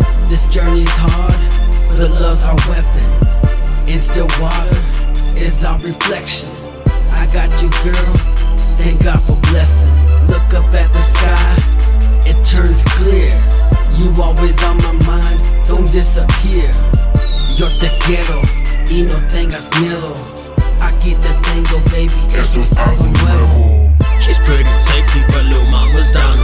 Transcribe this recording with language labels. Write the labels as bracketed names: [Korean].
[English] This journey's hard, but love's our weapon. And still water is our reflection. I got you, girl, thank God for blessing. Look up at the sky, it turns clear. You always on my mind, don't disappear. [Spanish] Yo te quiero, y no tengas miedo. Aquí te tengo, baby, esto es algo nuevo. [English] She's pretty sexy, but little mama's dying.